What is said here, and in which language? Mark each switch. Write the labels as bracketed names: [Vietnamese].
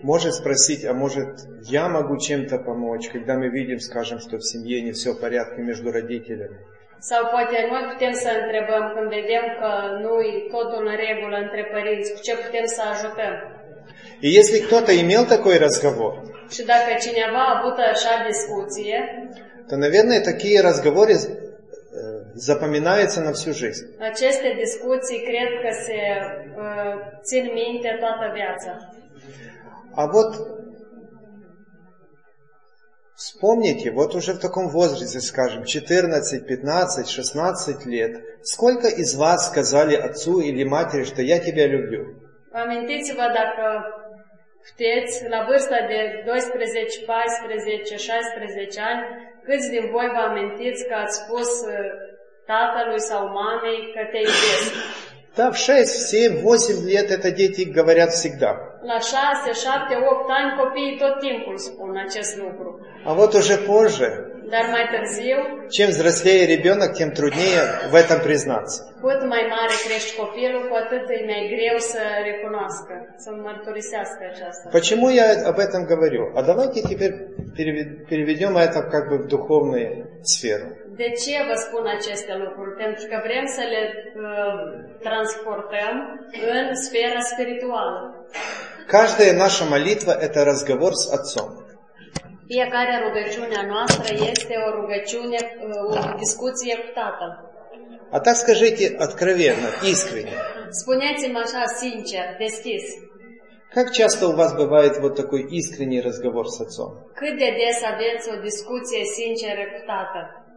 [Russian] Может спросить, а может я могу чем-то помочь, когда мы видим, скажем, что в семье не все в порядке между родителями? [Romanian] Sau poate noi putem să întrebăm când vedem că nu e totul în regulă între părinți, cu ce putem să ajutăm? [Russian] И если кто-то имел такой разговор, [Romanian] și dacă cineva a avut așa discuție, [Russian] то, наверное, такие разговоры запоминаются на всю жизнь. [Romanian] Aceste discuții, cred că se țin minte toată viața. [Russian] А вот вспомните, вот уже в таком возрасте, скажем, 14, 15, 16 лет, сколько из вас сказали отцу или матери, что я тебя люблю? [Romanian] Amintiți-vă dacă puteți, la vârsta de 12, 14, 16 ani, câți din voi vă amintiți că ați spus tatălui sau mamei că te iubesc? [Russian] Da, в 6, 7, 8 лет это дети говорят всегда. [Romanian] La 6, 7, 8 ani copiii tot timpul spun acest lucru. [Russian] А вот уже позже. [Romanian] Dar mai târziu. [Russian] Чем взрослее ребенок, тем труднее в этом признаться. [Romanian] Cât mai mare crești copilul, cu atât îi mai greu să recunoască, să mărturisească aceasta. [Russian] Почему я об этом говорю? А давайте теперь переведем это как бы в духовную сферу. [Romanian] De ce vă spun aceste lucruri? Pentru că vrem să le transportăm în sfera spirituală. [Russian] Каждая наша молитва – это разговор с Отцом. [Romanian] Fiecare rugăciune noastră este o rugăciune, o discuție cu Tatăl. [Russian] А так скажите откровенно, искренне. [Romanian] Spuneți-mi așa, sincer, deschis. [Russian] Как часто у вас бывает вот такой искренний разговор с Отцом? [Romanian] Cât de des aveți o discuție sinceră cu Tatăl?